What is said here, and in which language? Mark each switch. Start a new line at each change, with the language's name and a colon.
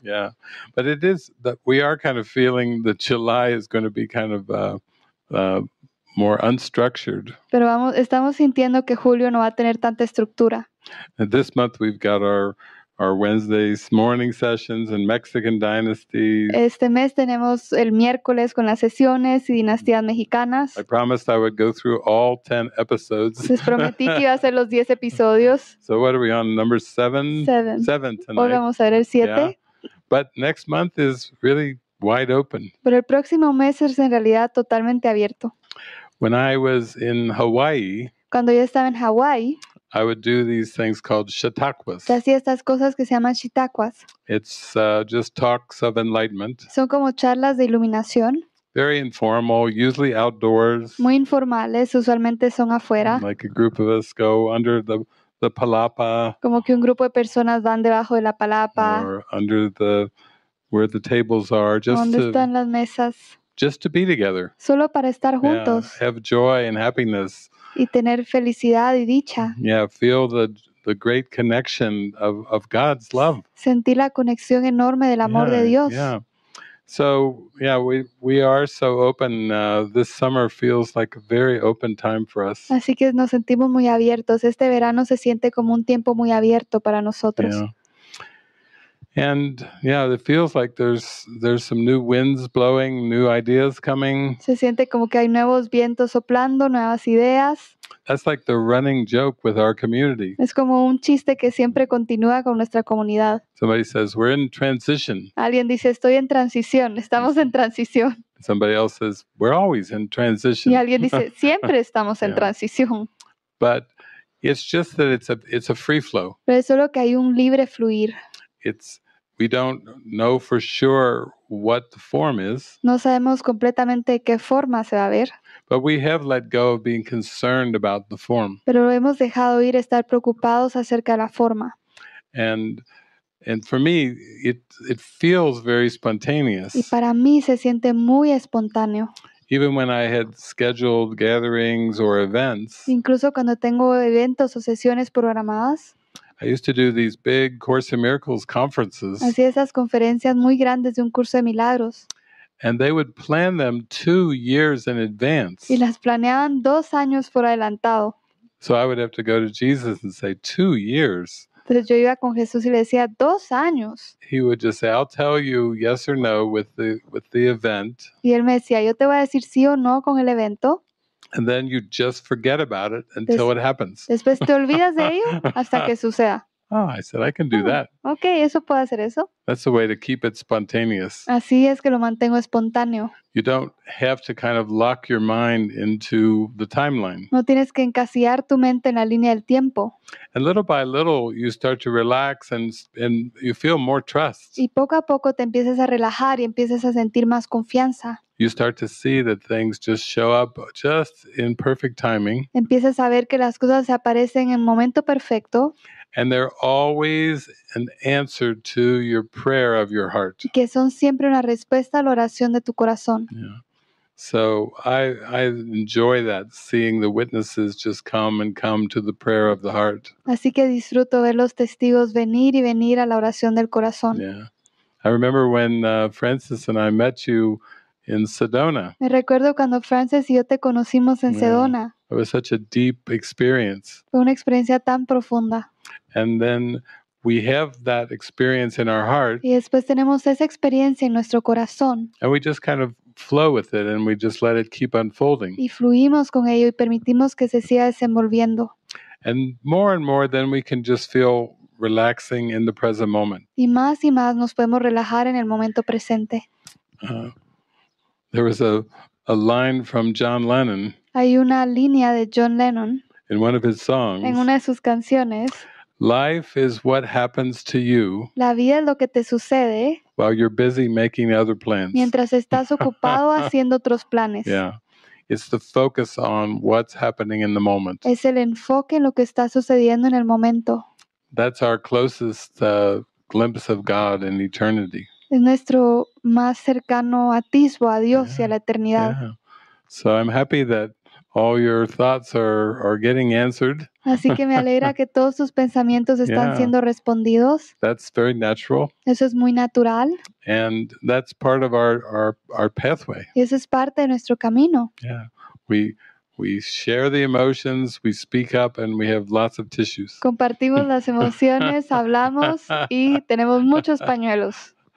English: Yeah, but it is that we are kind of feeling that July is going to be kind of more unstructured.
Spanish: Pero vamos, estamos sintiendo que julio no va a tener tanta estructura.
English: And this month we've got our Wednesdays morning sessions and Mexican dynasties.
Spanish: Este mes tenemos el miércoles con las sesiones y dinastías mexicanas.
English: I promised I would go through all 10 episodes.
Spanish: Les prometí que iba a hacer los 10 episodios.
English: So what are we on, number 7? 7 tonight.
Spanish: Hoy vamos a ver el 7. Yeah.
English: But next month is really wide open.
Spanish: Pero el próximo mes es en realidad totalmente abierto.
English: When I was in Hawaii,
Spanish: cuando yo estaba en Hawaii,
English: I would do these things called chautauquas.
Spanish: Hacía estas cosas que se llaman chautauquas.
English: It's just talks of enlightenment.
Spanish: Son como charlas de iluminación.
English: Very informal, usually outdoors.
Spanish: Muy informales, usualmente son afuera.
English: Like a group of us go under the palapa.
Spanish: Como que un grupo de personas van debajo de la palapa.
English: Or under the where the tables are, just
Spanish: donde están las mesas.
English: Just to be together.
Spanish: Solo para estar juntos.
English: Yeah, have joy and happiness.
Spanish: Y tener felicidad y dicha.
English: Yeah, feel the great connection of God's love.
Spanish: Sentí la conexión enorme del amor yeah, de Dios.
English: Yeah. So, yeah, we are so open. This summer feels like a very open time for us.
Spanish: Así que nos sentimos muy abiertos. Este verano se siente como un tiempo muy abierto para nosotros. Yeah.
English: And yeah, it feels like there's some new winds blowing, new ideas coming.
Spanish: Se siente como que hay nuevos vientos soplando, nuevas ideas.
English: That's like the running joke with our community.
Spanish: Es como un chiste que siempre continúa con nuestra comunidad.
English: Somebody says, we're in transition.
Spanish: Alguien dice, estoy en transición, estamos en transición.
English: Somebody else says, we're always in transition.
Spanish: Y alguien dice, siempre estamos en transición.
English: But it's just that it's a free flow.
Spanish: Pero es solo que hay un libre fluir.
English: It's, we don't know for sure what the form is.
Spanish: No sabemos completamente qué forma se va a ver.
English: But we have let go of being concerned about the form.
Spanish: Pero hemos dejado ir estar preocupados acerca de la forma.
English: And for me, it feels very spontaneous.
Spanish: Y para mí se siente muy espontáneo.
English: Even when I had scheduled gatherings or events.
Spanish: Incluso cuando tengo eventos o sesiones programadas.
English: I used to do these big Course in Miracles conferences.
Spanish: Hacía esas conferencias muy grandes de un curso de milagros.
English: And they would plan them 2 years in advance.
Spanish: Y las planeaban 2 años por adelantado.
English: So I would have to go to Jesus and say, 2 years.
Spanish: Entonces yo iba con Jesús y le decía, 2 años.
English: He would just say, I'll tell you yes or no with the event.
Spanish: Y él me decía, yo te voy a decir sí o no con el evento.
English: And then you just forget about it until it happens.
Spanish: Después te olvidas de ello hasta que suceda.
English: Oh, I said, I can do that.
Spanish: Okay, eso puedo hacer eso.
English: That's the way to keep it spontaneous.
Spanish: Así es que lo mantengo espontáneo.
English: You don't have to kind of lock your mind into the timeline.
Spanish: No tienes que encasillar tu mente en la línea del tiempo.
English: And little by little, you start to relax and you feel more trust.
Spanish: Y poco a poco te empiezas a relajar y empiezas a sentir más confianza.
English: You start to see that things just show up just in perfect timing.
Spanish: Empiezas a ver que las cosas se aparecen en momento perfecto.
English: And they're always an answer to your prayer of your heart.
Spanish: Y que son siempre una respuesta a la oración de tu corazón. Yeah.
English: So I enjoy that, seeing the witnesses just come and come to the prayer of the heart.
Spanish: Así que disfruto ver los testigos venir y venir a la oración del corazón. Yeah.
English: I remember when Francis and I met you in Sedona.
Spanish: Me recuerdo cuando Francis y yo te conocimos en Sedona.
English: It was such a deep experience.
Spanish: Fue una experiencia tan profunda.
English: And then we have that experience in our heart.
Spanish: Y después tenemos esa experiencia en nuestro corazón.
English: And we just kind of flow with it and we just let it keep unfolding.
Spanish: Y fluimos con ello y permitimos que se siga desenvolviendo.
English: And more then we can just feel relaxing in the present moment.
Spanish: Y más nos podemos relajar en el momento presente.
English: There was a line from John Lennon.
Spanish: Hay una línea de John Lennon.
English: In one of his songs.
Spanish: En una de sus canciones.
English: Life is what happens to you.
Spanish: La vida es lo que te sucede.
English: While you're busy making other plans.
Spanish: Mientras estás ocupado haciendo otros planes. Yeah.
English: It's the focus on what's happening in the moment.
Spanish: Es el enfoque en lo que está sucediendo en el momento.
English: That's our closest glimpse of God in eternity.
Spanish: Es nuestro más cercano atisbo a Dios y a la eternidad. Yeah.
English: So I'm happy that all your thoughts are getting answered.
Spanish: Así que me alegra que todos tus pensamientos están siendo respondidos.
English: That's very natural.
Spanish: Eso es muy natural.
English: And that's part of our pathway.
Spanish: Y eso es parte de nuestro camino. Yeah.
English: We share the emotions, we speak up, and we have lots of tissues.
Spanish: Compartimos las emociones, hablamos y tenemos muchos pañuelos.